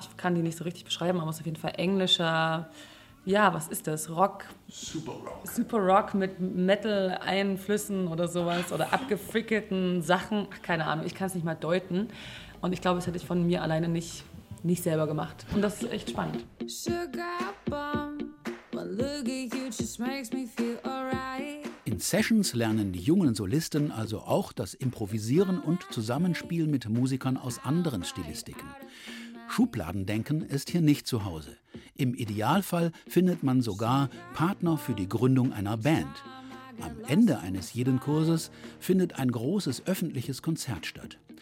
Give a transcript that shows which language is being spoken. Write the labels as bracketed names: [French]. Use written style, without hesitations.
[German] Ich kann die nicht so richtig beschreiben, aber es ist auf jeden Fall englischer. Ja, was ist das? Rock? Super Rock. Super Rock mit Metal-Einflüssen oder sowas oder abgefrickelten Sachen. Ach, keine Ahnung, ich kann es nicht mal deuten. Und ich glaube, das hätte ich von mir alleine nicht selber gemacht. Und das ist echt spannend. [English] Sugar bomb, one look at you just makes me feel alright. [German] In Sessions lernen die jungen Solisten also auch das Improvisieren und Zusammenspiel mit Musikern aus anderen Stilistiken. Schubladendenken ist hier nicht zu Hause. Im Idealfall findet man sogar Partner für die Gründung einer Band. Am Ende eines jeden Kurses findet ein großes öffentliches Konzert statt.